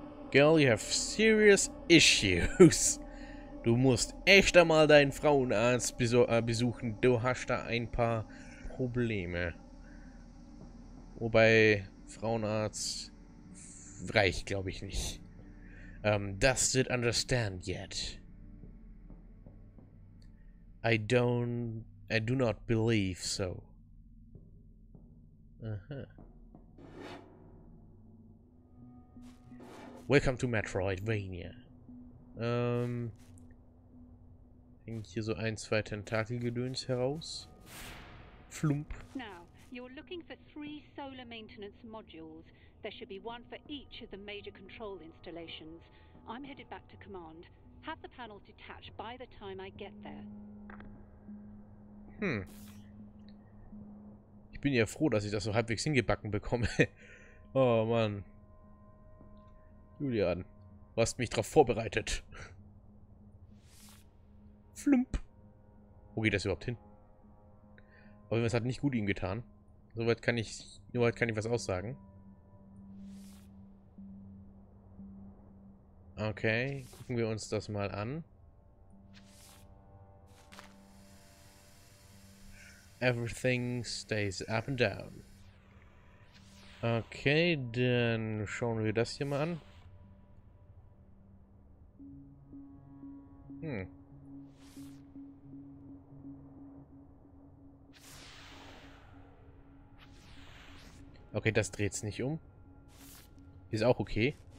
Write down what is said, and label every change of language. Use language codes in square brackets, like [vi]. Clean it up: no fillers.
[en] Girl, you have serious issues. [de] Du musst echt einmal deinen Frauenarzt besuchen. Du hast da ein paar Probleme. Wobei, Frauenarzt reicht, glaube ich, nicht. Das wird [en] understand yet. I do not believe so. Aha. Welcome to Metroidvania. [de] Hängt hier so ein, zwei Tentakelgedöns heraus. Flump. [en] Now, you're looking for three solar maintenance modules. There should be one for each of the major control installations. I'm headed back to command. Have the panel detached by the time I get there. Hm. [de] Ich bin ja froh, dass ich das so halbwegs hingebacken bekomme. Oh Mann. Julian, du hast mich drauf vorbereitet. Flump. Wo geht das überhaupt hin? Auf jeden Fall, es hat nicht gut ihm getan. Soweit kann ich was aussagen. Okay, gucken wir uns das mal an. [en] Everything stays up and down. [de] Okay, dann schauen wir das hier mal an. Hm. Okay, das dreht's nicht um. Ist auch okay.